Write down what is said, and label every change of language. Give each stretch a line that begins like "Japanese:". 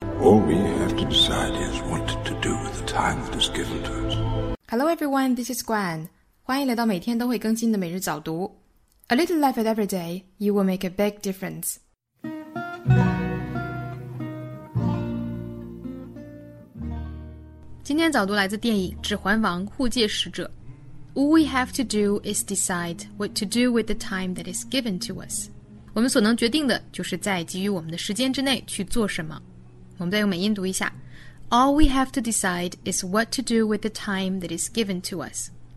English: All we have to decide is what to do with the time that is given to us. Hello everyone, this is Gwen.
Chinese: 欢迎来到每天都会更新的每日早读。
English: A little life at every day, you will make a big difference.
Chinese: Today's 早读来自电影《指环王：护戒使者》。
English: All we have to do is decide what to do with the time that is given to us.
Chinese: 我们所能决定的就是在给予我们的时间之内去做什么。我们再用美音读一下。
English: All we have to decide is what to do with the time that is given to us.